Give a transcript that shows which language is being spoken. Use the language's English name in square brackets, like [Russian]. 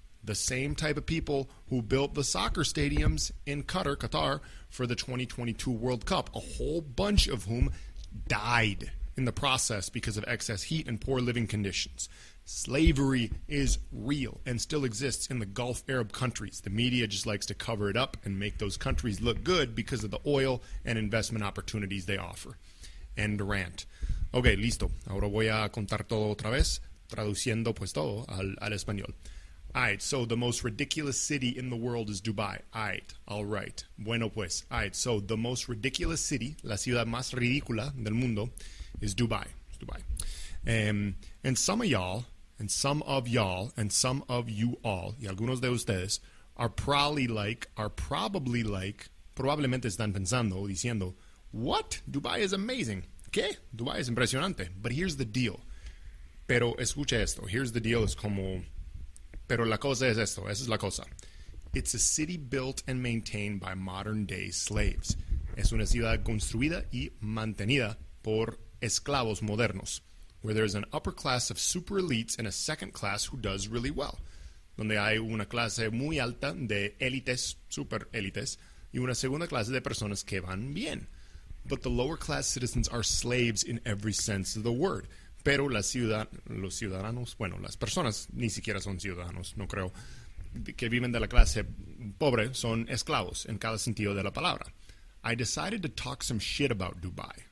[English] The same type of people who built the soccer stadiums in Qatar, for the 2022 World Cup, a whole bunch of whom died in the process because of excess heat and poor living conditions. Slavery is real and still exists in the Gulf Arab countries. The media just likes to cover it up and make those countries look good because of the oil and investment opportunities they offer. End rant. Okay, listo. [Spanish] Ahora voy a contar todo otra vez, traduciendo pues todo al español. [English] Alright, so the most ridiculous city in the world is Dubai. Alright. [Spanish] Bueno pues. [English] Alright, so the most ridiculous city, [Spanish] la ciudad más ridícula del mundo, [English] is Dubai. It's Dubai. And some of y'all, [Spanish] y algunos de ustedes, probablemente están pensando, diciendo, [English] what? Dubai is amazing. [Spanish] ¿Qué? Dubai es impresionante. [English] But here's the deal. [Spanish] Pero escucha esto. [English] Here's the deal. [Spanish] Es como... Pero la cosa es esto, esa es la cosa. [English] It's a city built and maintained by modern-day slaves. [Spanish] Es una ciudad construida y mantenida por esclavos modernos, [English] where there's an upper class of super elites and a second class who does really well. [Spanish] Donde hay una clase muy alta de élites, super élites, y una segunda clase de personas que van bien. [English] But the lower class citizens are slaves in every sense of the word. [Spanish] Pero la ciudad, los ciudadanos, bueno, las personas ni siquiera son ciudadanos, no creo, que viven de la clase pobre, son esclavos en cada sentido de la palabra. [English] I decided to talk some shit about Dubai.